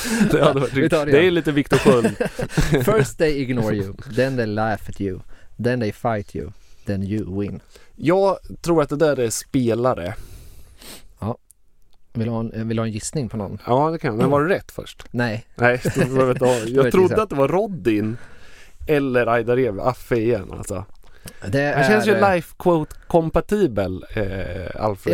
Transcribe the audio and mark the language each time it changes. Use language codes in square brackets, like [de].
[sv] det är lite Victor Sjöld. [en] First they ignore you, then they laugh at you, then they fight you, then you win. [sv] Jag tror att det där är spelare. Ja. Vill ha en gissning på någon? Ja, det kan jag. Men var det rätt först? Nej. Jag trodde att det var Rodin eller Ajdarevic. Affe igen alltså. Det känns ju life quote kompatibel Alfred.